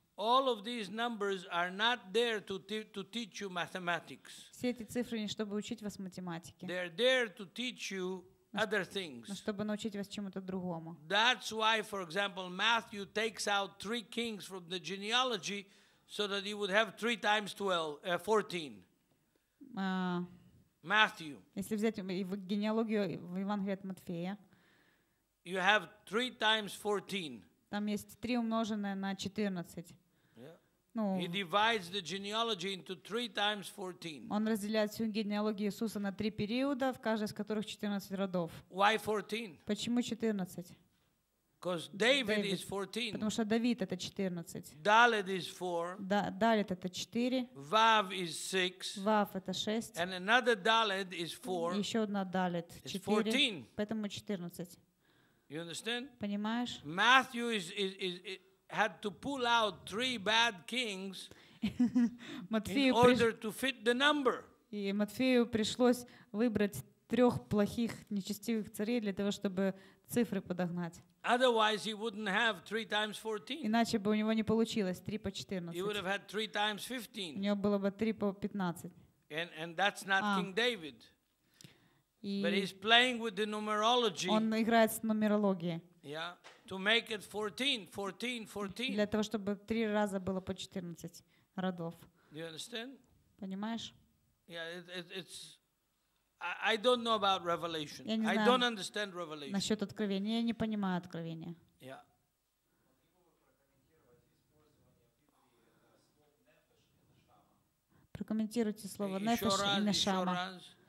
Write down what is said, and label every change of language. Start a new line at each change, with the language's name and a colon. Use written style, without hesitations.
English: All of these numbers are not there to teach you mathematics.
Ukrainian: Всі ці цифри не щоб вчити вас математики.
English: They are there to teach you other things.
Ukrainian: Щоб навчити вас чому-то другому.
English: That's why, for example, Matthew takes out three kings from the genealogy so that he would have 3 times 12, 14. Matthew.
Ukrainian: Якщо взяти в генеалогію в Євангелії від Матфея.
English: You have 3 times 14.
Ukrainian: Там є 3 умножене на 14.
English: Yeah. Ну, he divides the genealogy into 3 times 14.
Ukrainian: Он розділяє цю генеалогію Ісуса на 3 періоди, в кожен з яких 14 родів.
English: Why 14?
Ukrainian: Чому 14?
English: Because David is 14.
Ukrainian: Тому що Давид це 14.
English: Далет is 4.
Ukrainian: Далет це 4.
English: Вав is 6.
Ukrainian: Вав це 6.
English: And another Далет is 4.
Ukrainian: І ще одна Далет 4. Тому 14.
English: You understand?
Russian: Понимаешь?
English: Matthew had to pull out three bad kings in order to fit the number.
Russian: И Матфею пришлось выбрать трёх плохих нечестивых царей для того, чтобы цифры подогнать.
English: Otherwise he wouldn't have 3 times 14.
Russian: Иначе бы у него не получилось 3 по 14.
English: He would have had 3 times 15.
Russian: У него было бы 3 по 15.
English: And that's not King David. But he's playing with the numerology.
Russian: Он играет с нумерологией.
English: Yeah. To make it 14, 14, 14.
Russian: Для того, чтобы три раза было по 14 родов.
English: You understand?
Russian: Понимаешь?
English: Yeah, it's I don't know about revelation.
Russian: Я не знаю.
English: I don't understand revelation.
Russian: Насчёт откровения, я не понимаю откровения.
English: Yeah.
Russian: Прокомментируйте слово нефеш и нешама.